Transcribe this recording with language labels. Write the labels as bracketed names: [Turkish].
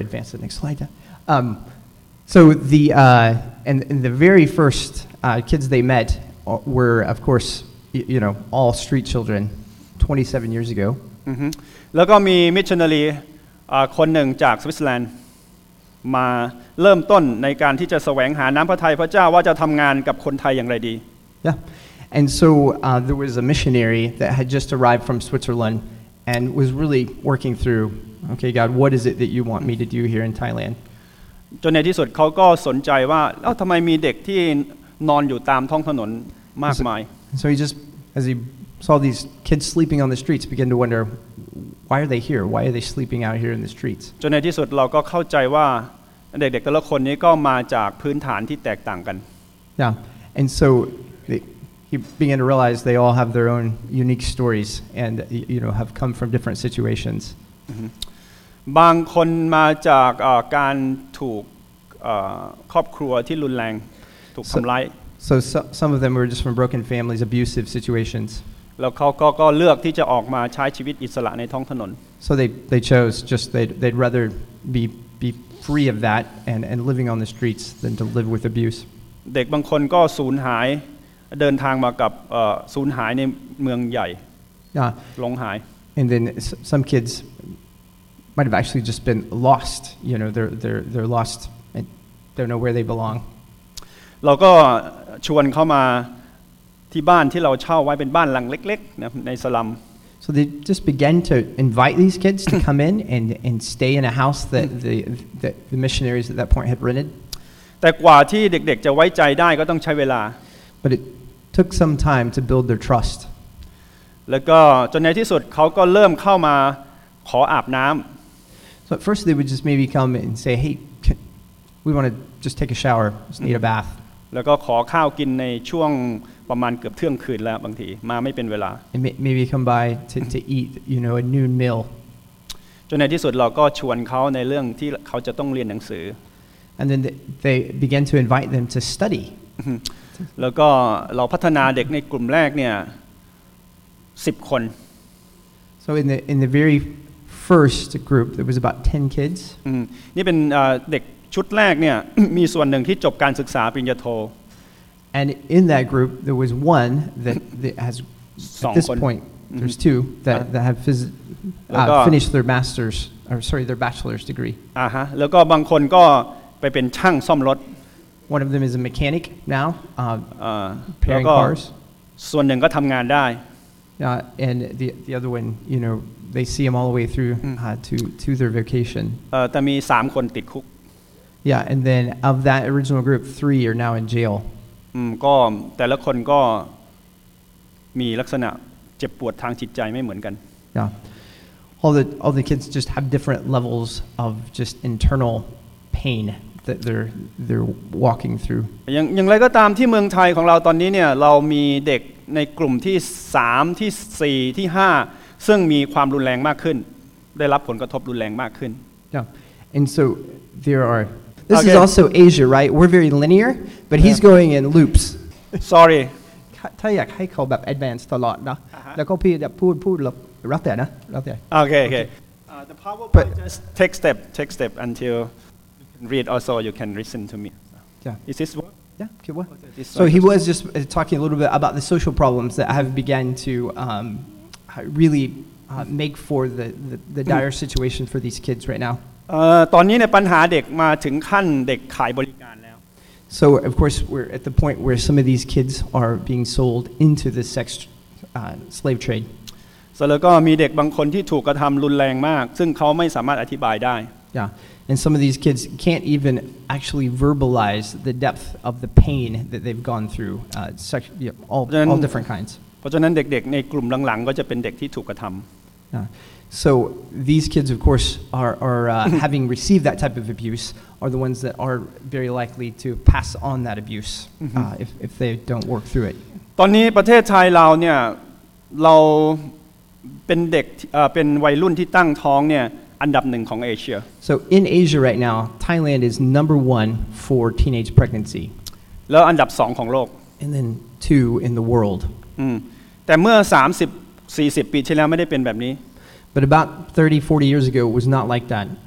[English] Advance to the next slide. The very first kids they met were, of course, you know, all street children 27 years ago. Mm-hmm. [Thai] แล้วก็มี missionary คนหนึ่งจากสวิตเซอร์แลนด์มาเริ่มต้นในการที่จะแสวงหาน้ำพระทัยพระเจ้าว่าจะทำงานกับคนไทยอย่างไรดี [English] Yeah. And so there was a missionary that had just arrived from Switzerland and was really working through, okay, God, what is it that you want me to do here in Thailand? [Thai] จนในที่สุดเขาก็สนใจว่าแล้วทำไมมีเด็กที่นอนอยู่ตามท้องถนนมากมาย [English] So he just, as he saw these kids sleeping on the streets, began to wonder, why are they here? Why are they sleeping out here in the streets? [Thai] จนในที่สุดเราก็เข้าใจว่าเด็กๆแต่ละคนนี้ก็มาจากพื้นฐานที่แตกต่างกัน [English] Yeah, and so he began to realize they all have their own unique stories and, you know, have come from different situations. [Thai] บางคนมาจากการถูกครอบครัวที่รุนแรงถูกทำร้าย [English] So some of them were just from broken families, abusive situations. [Thai] แล้วเขาก็เลือกที่จะออกมาใช้ชีวิตอิสระในท้องถนน [English] So they chose just they'd rather be free of that and living on the streets than to live with abuse. [Thai] เด็กบางคนก็สูญหายเดินทางมากับสูญหายในเมืองใหญ่หลงหาย [English] And then some kids might have actually just been lost. You know, they're lost and don't know where they belong. [Thai] เราก็ชวนเขามาที่บ้านที่เราเช่าไว้เป็นบ้านหลังเล็กๆในสลัม [English] So they just began to invite these kids to come in and stay in a house that the missionaries at that point had rented. [Thai] แต่กว่าที่เด็กๆจะไว้ใจได้ก็ต้องใช้เวลา [English] But it took some time to build their trust. [Thai] แล้วก็จนในที่สุดเขาก็เริ่มเข้ามาขออาบน้ำ [English] So at first they would just maybe come and say, "Hey, we want to just take a shower, just need a bath." [Thai] แล้วก็ขอข้าวกินในช่วงประมาณเกือบเที่ยงคืนแล้วบางทีมาไม่เป็นเวลา [English] Maybe come by to eat, you know, a noon meal. [Thai] จนในที่สุดเราก็ชวนเขาในเรื่องที่เขาจะต้องเรียนหนังสือ [English] And then they began to invite them to study. [Thai] แล้วก็เราพัฒนาเด็กในกลุ่มแรกเนี่ย 10 คน [English] So in the very first group there was about 10 kids. [Thai] นี่เป็นเด็กชุดแรกเนี่ยมีส่วนหนึ่งที่จบการศึกษาปริญญาโท [English] And in that group there was one that has at this point there's two that have finished their masters or sorry their bachelor's degree [Thai] อ่าฮะแล้วก็บางคนก็ไปเป็นช่างซ่อมรถ [English] One of them is a mechanic now repairing cars [Thai] ส่วนหนึ่งก็ทำงานได้ [English] and the other one you know they see him all the way through to their vocation [Thai] แต่มี3คนติดคุก [English] Yeah, and then of that original group, three are now in jail. [Thai] ก็แต่ละคนก็มีลักษณะเจ็บปวดทางจิตใจไม่เหมือนกัน [English] Yeah, all the kids just have different levels of just internal pain that they're walking through. [Thai] อย่างไรก็ตามที่เมืองไทยของเราตอนนี้เนี่ยเรามีเด็กในกลุ่มที่3ที่4ที่5ซึ่งมีความรุนแรงมากขึ้นได้รับผลกระทบรุนแรงมากขึ้น [English] Yeah, and so there areThis is also Asia, right? We're very linear, but he's going in loops. Sorry. [Thai] ถ้าอยากให้เขาแบบ advance ตลอดนะแล้วก็พี่จะพูดแล้วรับแต่นะรับแต่ [English] Okay. The PowerPoint just take step until you can read. Also, you can listen to me. Yeah. Is this work? Yeah. Okay. What? So he was just talking a little bit about the social problems that have begun to really make for the dire situation for these kids right now. [Thai] ตอนนี้เนี่ยปัญหาเด็กมาถึงขั้นเด็กขายบริการแล้ว [English] So of course we're at the point where some of these kids are being sold into the sex slave trade. [Thai] So แล้วก็มีเด็กบางคนที่ถูกกระทํารุนแรงมากซึ่งเขาไม่สามารถอธิบายได้ [English] Yeah. And some of these kids can't even actually verbalize the depth of the pain that they've gone through all different kinds. [Thai] เพราะฉะนั้นเด็กๆในกลุ่มหลังๆก็จะเป็นเด็กที่ถูกกระทํา [English] Yeah. So these kids, of course, are having received that type of abuse, are the ones that are very likely to pass on that abuse if they don't work through it. [Thai] ตอนนี้ประเทศไทยเราเนี่ยเราเป็นเด็กเป็นวัยรุ่นที่ตั้งท้องเนี่ยอันดับหนึ่งของเอเชีย [English] So in Asia right now, Thailand is number one for teenage pregnancy. [Thai] แล้วอันดับสองของโลก [English] And then two in the world. [Thai] แต่เมื่อ30 40ปีที่แล้วไม่ได้เป็นแบบนี้ [English] But about 30, 40 years ago, it was not like that.